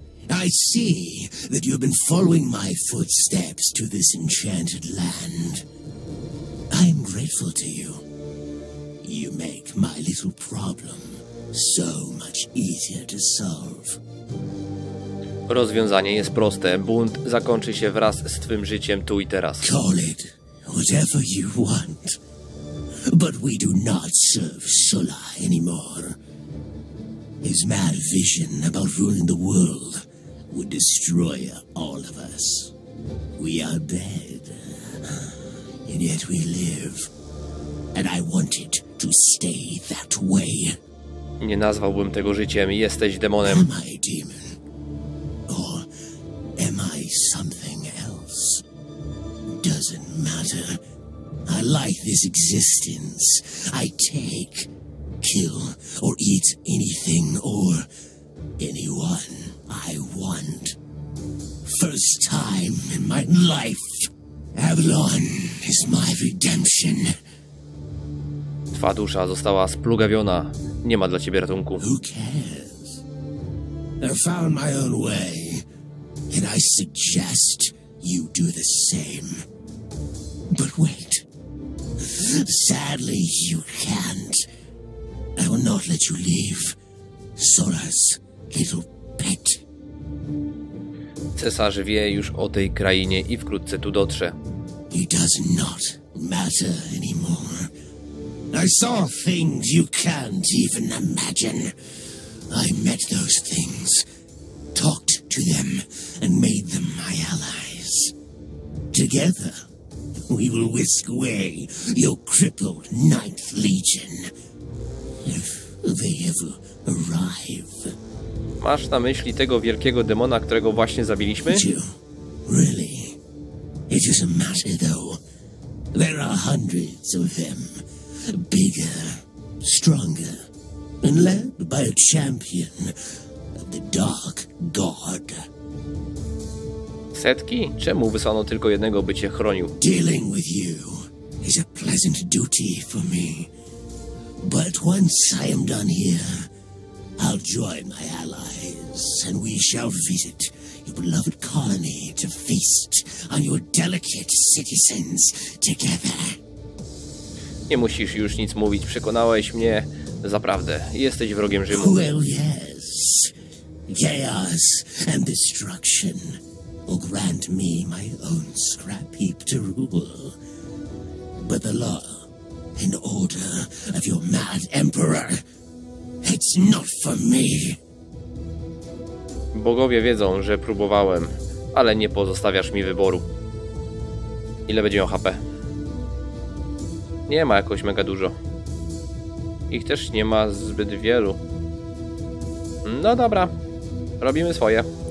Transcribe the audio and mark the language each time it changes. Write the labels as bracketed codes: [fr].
[en] I see that you have been following my footsteps to this enchanted land. I am grateful to you. You make my little problem so much easier to solve. [pl] Rozwiązanie jest proste. Bunt zakończy się wraz z twym życiem tu i teraz. [en] Call it whatever you want. But we do not serve Sulla anymore. His mad vision about ruling the world would destroy all of us. We are dead, and yet we live. And I want it to stay that way. [pl] Nie nazwałbym tego życiem. Jesteś demonem. [en] Am I demon? Or am I something else? Doesn't matter. I like this existence. I take, kill, or eat anything or anyone I want. First time in my life, Avalon is my redemption. [pl] Twa dusza została splugawiona. Nie ma dla ciebie ratunku. [en] Who cares? I found my own way, and I suggest you do the same. But wait. Sadly, you can't. I will not let you leave. Sora's little pet. [pl] Cesarz wie już o tej krainie i wkrótce tu dotrze. [en] It does not matter anymore. I saw things you can't even imagine. I met those things, talked to them, and made them my allies. Together, we will whisk away your crippled Ninth Legion. If they ever arrive. [pl] Masz na myśli tego wielkiego demona, którego właśnie zabiliśmy? [en] Really? It is a matter though. There are hundreds of them. Bigger, stronger, and led by a champion. the Dark God. [pl] Setki? Czemu wysłano tylko jednego, by cię chronił? [en] Dealing with you is a pleasant duty for me. But once I am done here, I'll join my allies and we shall visit your beloved colony to feast on your delicate citizens together. [pl] Nie musisz już nic mówić, przekonałeś mnie. Zaprawdę, jesteś wrogiem Rzymu. [en] Well, yes. Chaos and destruction will grant me my own scrap heap to rule. But the law and order of your mad emperor, it's not for me. [pl] Bogowie wiedzą, że próbowałem, ale nie pozostawiasz mi wyboru. Ile będzie miał HP? Nie ma jakoś mega dużo. Ich też nie ma zbyt wielu. No dobra. Robimy swoje.